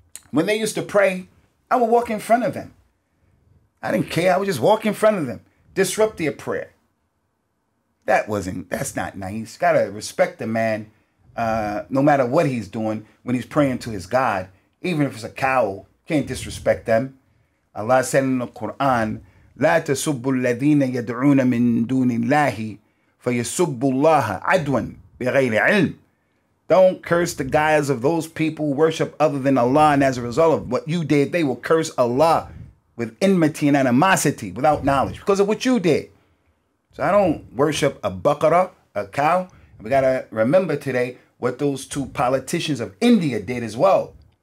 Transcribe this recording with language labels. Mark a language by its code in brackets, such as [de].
[en] When they used to pray, I would walk in front of them. I didn't care. I would just walk in front of them, disrupt their prayer. That's not nice. You gotta respect the man, no matter what he's doing, when he's praying to his God, even if it's a cow, can't disrespect them. [ar] Allah said in the Quran, لا تسبوا الذين يدعون من دون الله فيسبوا الله عدوا بغير علم. [en] Don't curse the guys of those people who worship other than Allah, and as a result of what you did, they will curse Allah with enmity and animosity, without knowledge, because of what you did. So I don't worship a baqara, a cow. We got to remember today what those two politicians of India did as well.